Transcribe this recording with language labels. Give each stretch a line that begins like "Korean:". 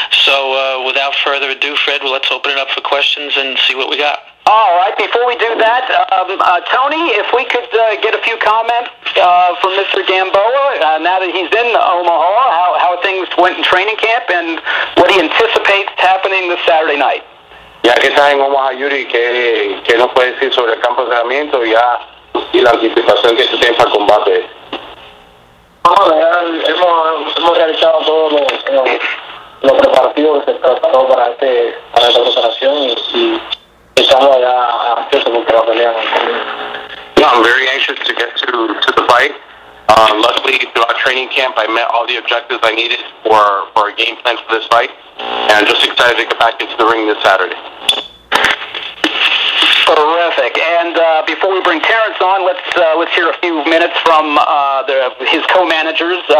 English: So without further ado, Fred, well, let's open it up for questions and see what we got. All right. Before we do that, Tony, if we could get a few comments from Mr. Gamboa now that he's in Omaha, how things went in training camp and what he anticipates happening this Saturday night.
Spanish: Ya que está en Omaha, Yuri, ¿qué nos puede decir sobre el campo de entrenamiento y la anticipación que se tiene para el combate? Bueno, hemos realizado todos los preparativos que se trataron para esta preparación y estamos allá ansiosos porque la pelea.
English: No, I'm very anxious to get to the fight. Luckily, throughout training camp, I met all the objectives I needed for a game plan for this fight, and I'm just excited to get back into the ring this Saturday. Terrific. And before we bring Terence on, let's hear a few minutes from his co-managers.